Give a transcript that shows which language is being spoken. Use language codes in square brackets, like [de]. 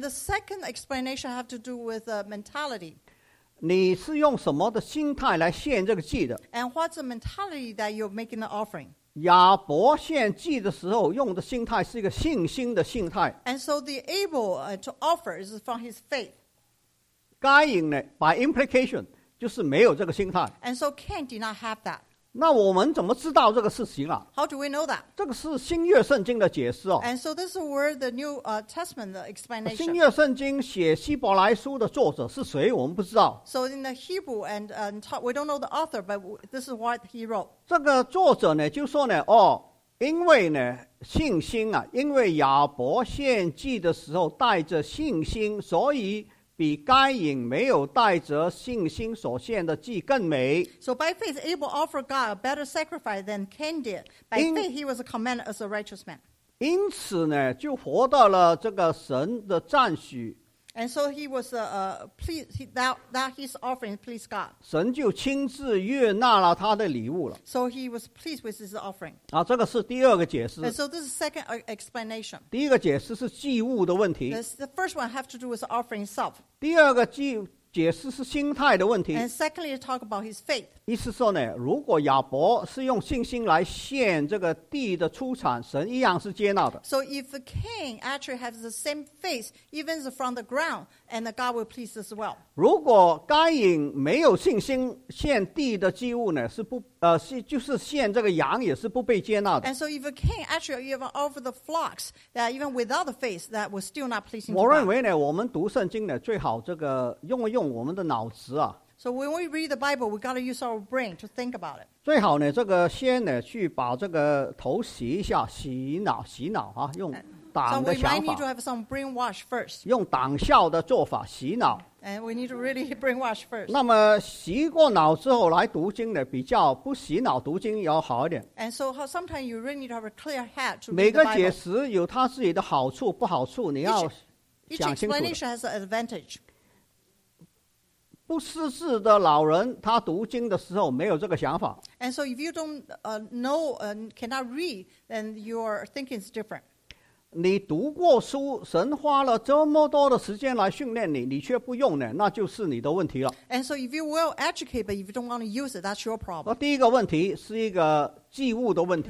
[en] the second explanation have to do with mentality. [zh] 你是用什么的心态来献这个祭的？ [en] And what's the mentality that you're making the offering? [zh] 亚伯献祭的时候用的心态是一个信心的心态。 [en] And so the Abel to offer is from his faith. [zh] 该隐呢, [en] by implication, [zh] 就是没有这个心态。 [en] And so Cain did not have that. [zh] 那我们怎么知道这个事情啊？ [en] How do we know that? [zh] 这个是新约圣经的解释哦。 [en] And so this is where the New Testament explanation. [zh] 新约圣经写希伯来书的作者是谁？我们不知道。 [en] So in the Hebrew and we don't know the author, but this is what he wrote. [zh] 这个作者呢就说呢，哦，因为呢信心啊，因为亚伯献祭的时候带着信心，所以。比该隐没有带着信心所献的祭更美。 [en] So by faith Abel offered God a better sacrifice than Cain did. By faith he was commended as a righteous man. [zh] 因此呢，就活到了这个神的赞许。 [en] And so he was pleased that his offering pleased God. [zh] 神就亲自悦纳了他的礼物了。 [en] So he was pleased with his offering. [zh] 啊，这个是第二个解释。 [en] And so this is second explanation. [zh] 第一个解释是祭物的问题。 [en] The first one have to do with the offering itself. [zh] 第二个祭物解释是心态的问题。 [en] And secondly, talk about his faith. [zh] 意思说呢，如果亚伯是用信心来献这个地的出产，神一样是接纳的。 [en] So if Cain actually has the same faith, even from the ground, and God will please as well. [zh] 如果该隐没有信心献地的祭物呢，是不是就是献这个羊也是不被接纳的。 [en] And so if Cain actually even offered the flocks, that even without the faith, that was still not pleasing to God. [zh] 我认为呢，我们读圣经呢，最好这个用我们的脑子啊。 [en] So when we read the Bible, we've got to use our brain to think about it. [zh] 最好呢，这个先呢，去把这个头洗一下，洗脑，洗脑啊，用党的想法。 [en] So we might need to have some brainwash first. [zh] 用党校的做法洗脑。 [en] And we need to really brainwash first. [zh] 那么洗过脑之后来读经呢，比较不洗脑读经要好一点。 [en] And so sometimes you really need to have a clear head to read the Bible. [zh] 每个解释有它自己的好处不好处，你要想清楚。 [en] Each explanation has an advantage. [zh] 不识字的老人他读经的时候没有这个想法。 [en] And so if you don't know and cannot read, then your thinking is different. [zh] 你读过书，神花了这么多的时间来训练你，你却不用呢，那就是你的问题了。 [en] And so if you will educate, but if you don't want to use it, that's your problem. [zh] 第一个问题是一个祭物的问题。